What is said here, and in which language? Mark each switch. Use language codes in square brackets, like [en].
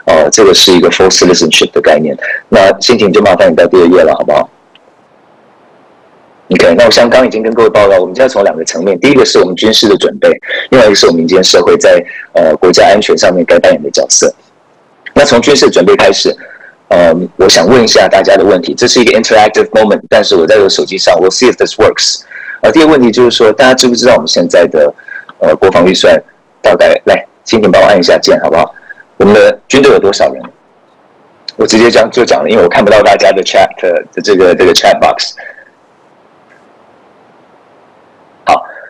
[zh] 这个是一个 [en] full citizenship [zh] 的概念。那欣婷就麻烦你到第二页了，好不好 ？OK， 那我像刚已经跟各位报告，我们现在从两个层面，第一个是我们军事的准备，另外一个是我们民间社会在国家安全上面该扮演的角色。那从军事准备开始，我想问一下大家的问题。这是一个 [en] interactive moment， [zh] 但是我在我手机上 ， [en] we'll see if this works。 [zh] 第二个问题就是说，大家知不知道我们现在的国防预算大概？来，蜻蜓帮我按一下键，好不好？我们的军队有多少人？我直接这样就讲了，因为我看不到大家的 chat 的这个 chat box。好，